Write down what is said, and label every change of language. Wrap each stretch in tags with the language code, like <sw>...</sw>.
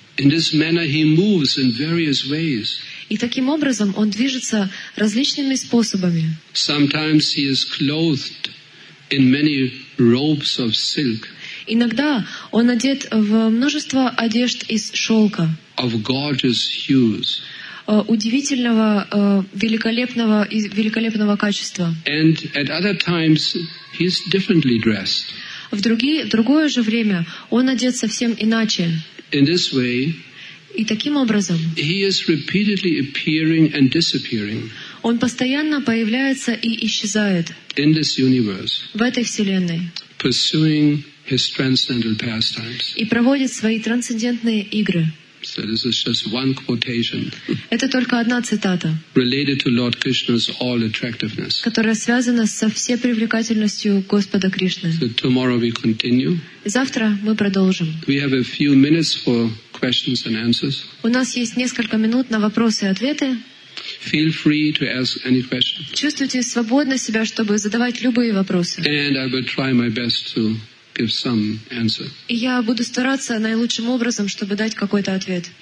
<en>In this manner he moves in various ways.</en> <ru>И таким образом он движется различными способами.</ru> <en>Sometimes he is clothed in many robes of silk.</en> <ru>Иногда он одет в множество одежд из шелка.</ru> <en>Of gorgeous hues.</en> <ru>Удивительного, великолепного и великолепного качества.</ru> <en>And at other times he is differently dressed.</en> <ru>В другое же время он одет совсем иначе.</ru> <en>In this way.</en> <ru>И таким образом</ru> <en>he is repeatedly appearing and disappearing.</en> <ru>Он постоянно появляется и исчезает</ru> <en>in this universe,</en> <ru>в этой вселенной,</ru> <en>pursuing his transcendental pastimes.</en> <ru>И проводит свои трансцендентные игры.</ru> <en>So this is just one quotation.</en> <ru>Это только одна цитата.</ru> <en>Related to Lord Krishna's all attractiveness.</en> <ru>Которая связана со всей привлекательностью Господа Кришны.</ru> <en>So tomorrow we continue.</en> <ru>Завтра мы продолжим.</ru> <en>We have a few minutes for questions and answers.</en> <ru>У нас есть несколько минут на вопросы и ответы.</ru> <en>Feel free to ask any question.</en> <ru>Чувствуйте свободно себя, чтобы задавать любые вопросы.</ru> <en>And I will try my best to give some answer.</en> <ru>Я буду стараться наилучшим образом, чтобы дать какой-то ответ.</ru>